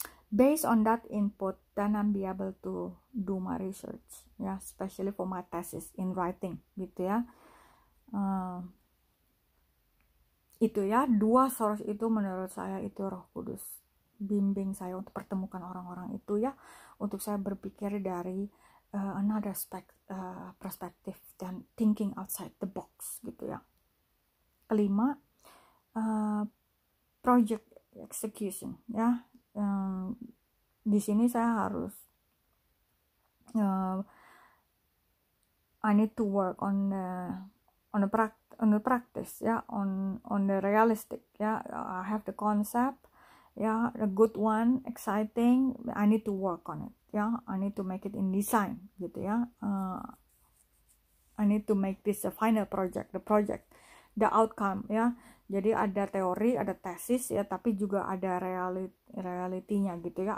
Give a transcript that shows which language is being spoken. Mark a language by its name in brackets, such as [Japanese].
[English] Based on that input, then I'm be able to do my research, ya, especially for my thesis in writing, gitu ya. [Indonesian] Itu ya, dua source itu menurut saya itu Roh Kudus bimbing saya untuk pertemukan orang-orang itu, ya, untuk saya berpikir dari [English] another perspective [Indonesian] dan [English] thinking outside the box, [Indonesian] gitu ya. Kelima, [English] project execution, [Indonesian] ya. Di sini saya harus [English] I need to work on the practice, ya, on the realistic, ya. I have the concept, ya, a good one, exciting. I need to work on it, ya. I need to make it in design, gitu ya. I need to make this a final project, the project, the outcome, ya. [Indonesian] Jadi ada teori, ada tesis, ya, tapi juga ada realitinya, gitu ya.